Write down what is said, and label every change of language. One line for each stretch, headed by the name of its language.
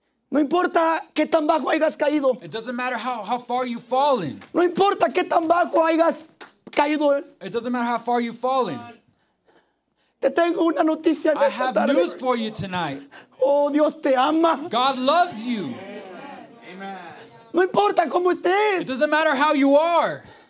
Spanish: No importa qué tan bajo hayas caído.
English: It doesn't matter how far you've fallen.
Spanish: No importa qué tan bajo hayas caído.
English: It doesn't matter how far you've fallen.
Spanish: Te tengo una noticia de esta tarde.
English: I have news for you tonight.
Spanish: Oh, Dios te ama.
English: God loves you.
Spanish: Amen. No importa cómo estés.
English: It doesn't matter how you are.